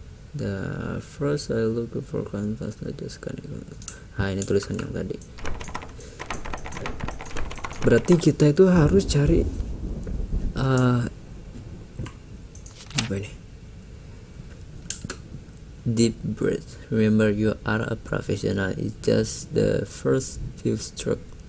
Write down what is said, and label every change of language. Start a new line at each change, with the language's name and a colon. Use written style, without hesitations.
English: The first I look for canvas, not just canvas.
Indonesian: Ini tulisan yang tadi. Berarti kita itu harus cari apa ini?
English: Deep breath. Remember, you are a professional. It's just the first few stroke.